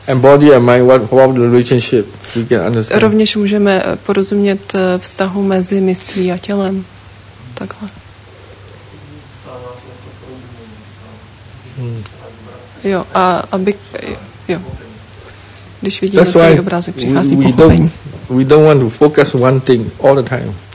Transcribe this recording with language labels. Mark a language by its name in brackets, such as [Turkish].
[English] And body and mind, what the relationship we can understand. [Czech] Rovněž můžeme porozumět vztahu mezi myslí a tělem. Takhle. Jo, a aby jo. Když vidíme celý obrázek, přichází pochopení. [English] We don't want to focus one thing all the time.